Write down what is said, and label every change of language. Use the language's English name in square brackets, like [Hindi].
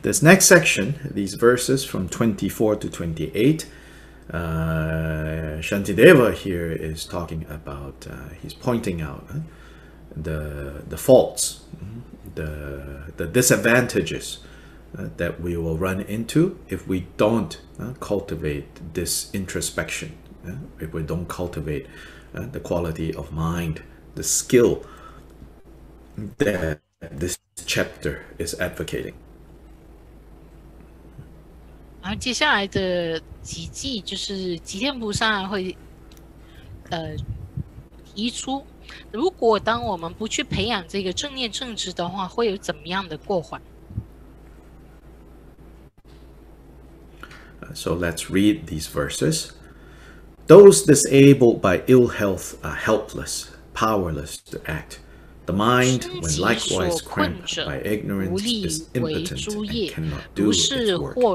[English] This next section, these verses from 24 to 28, Shantideva here is talking about, he's pointing out the faults, the disadvantages that we will run into if we don't cultivate this introspection, if we don't cultivate the quality of mind, the skill that this chapter is advocating. [Chinese] 然后接下来的几句就是吉天菩萨会提出，如果当我们不去培养这个正念正知的话，会有怎么样的过患？ [English] So let's read these verses. Those disabled by ill health are helpless, powerless to act. The mind, when likewise cramped by ignorance, is impotent and cannot do its work.